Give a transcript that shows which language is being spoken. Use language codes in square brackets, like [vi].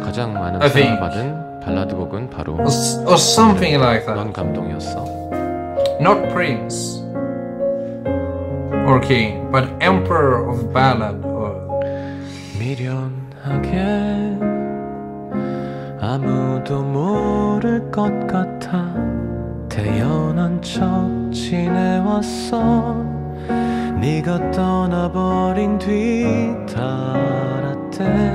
[ko] 가장 많은 사랑을 받은 발라드 곡은 바로 [en] or something like that. [ko] 넌 감동이었어. [en] Not prince or king, but Emperor of Ballad. [ko] 미련하게 아무도 모를 것 같아 태연한 척 지내왔어. 네가 떠나버린 뒤 달았대.